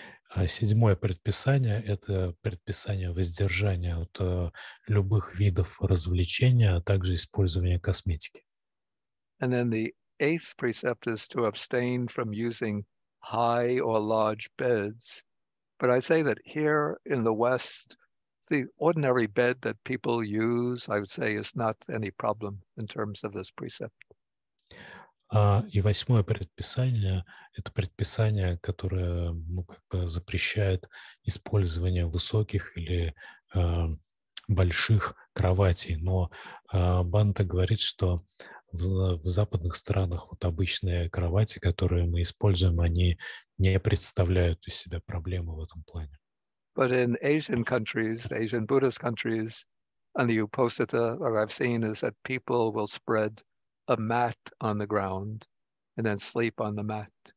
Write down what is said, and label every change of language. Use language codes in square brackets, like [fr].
[ru] А седьмое предписание – это предписание воздержания от любых видов развлечения, а также использования косметики. [en] And then the eighth precept is to abstain from using high or large beds. But I say that here in the West, the ordinary bed that people use, I would say, is not any problem in terms of this precept. [ru] И восьмое предписание – это предписание, которое запрещает использование высоких или больших кроватей. Но Банта говорит, что в западных странах вот обычные кровати, которые мы используем, они не представляют из себя проблемы в этом плане. [en] But in Asian countries, Asian Buddhist countries, and the Upasita, what I've seen is that people will spread a mat on the ground and then sleep on the mat.